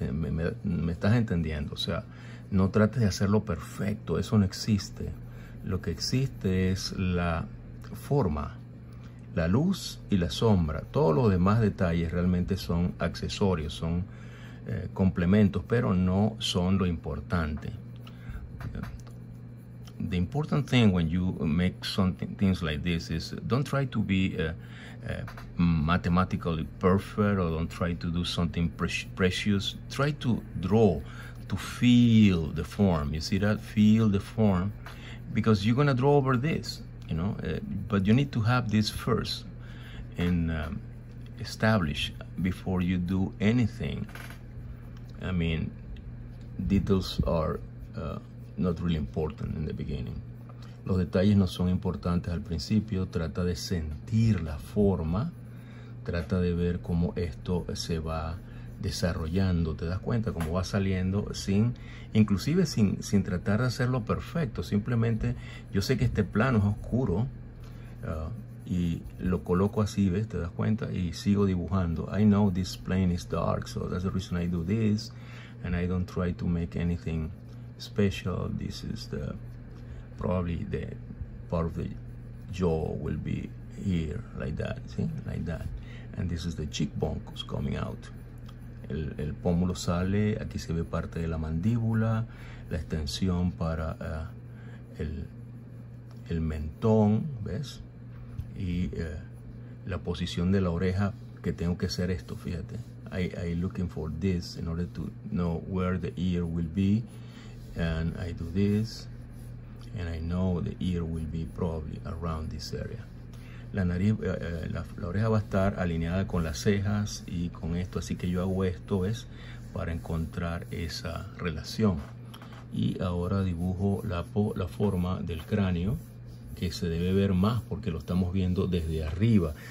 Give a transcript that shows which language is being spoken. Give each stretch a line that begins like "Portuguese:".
Spanish: ¿Me estás entendiendo? O sea, no trates de hacerlo perfecto, eso no existe. Lo que existe es la forma, la luz y la sombra. Todos los demás detalles realmente son accesorios, son complementos, pero no son lo importante.
English: The important thing when you make something things like this is don't try to be mathematically perfect, or don't try to do something precious. Try to draw, to feel the form. You see that? Feel the form, because you're gonna draw over this, you know. But you need to have this first and establish before you do anything. I mean, details are not really important in the beginning.
Spanish: Los detalles no son importantes al principio. Trata de sentir la forma. Trata de ver cómo esto se va desarrollando. Te das cuenta cómo va saliendo sin tratar de hacerlo perfecto. Simplemente, yo sé que este plano es oscuro y lo coloco así, ¿ves? Te das cuenta y sigo dibujando.
English: I know this plane is dark, so that's the reason I do this. And I don't try to make anything special. This is the probably the part of the jaw will be here, like that, see, like that. And this is the cheekbone coming out.
Spanish: el pómulo sale, aquí se ve parte de la mandíbula, la extensión para el mentón, ¿ves? Y la posición de la oreja, que tengo que hacer esto, fíjate.
English: I looking for this in order to know where the ear will be. And I do this, and I know the ear will be probably around this area.
Spanish: La nariz, la oreja va a estar alineada con las cejas y con esto, así que yo hago esto, ¿ves? Para encontrar esa relación. Y ahora dibujo la forma del cráneo, que se debe ver más porque lo estamos viendo desde arriba.